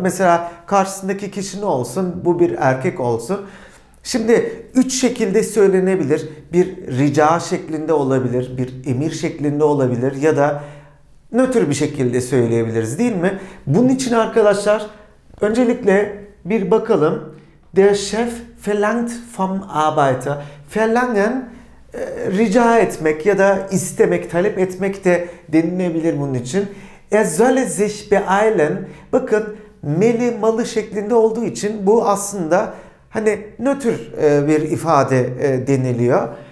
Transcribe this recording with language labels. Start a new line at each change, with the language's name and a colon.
Turkish: Mesela karşısındaki kişi ne olsun? Bu bir erkek olsun. Şimdi üç şekilde söylenebilir. Bir rica şeklinde olabilir, bir emir şeklinde olabilir ya da nötr bir şekilde söyleyebiliriz değil mi? Bunun için arkadaşlar öncelikle bir bakalım.
German: Der Chef verlangt vom Arbeiter.
Turkish: Verlangen rica etmek ya da istemek, talep etmek de denilebilir bunun için.
German: Er soll sich beeilen.
Turkish: Bakın, meli malı şeklinde olduğu için bu aslında hani nötr bir ifade deniliyor.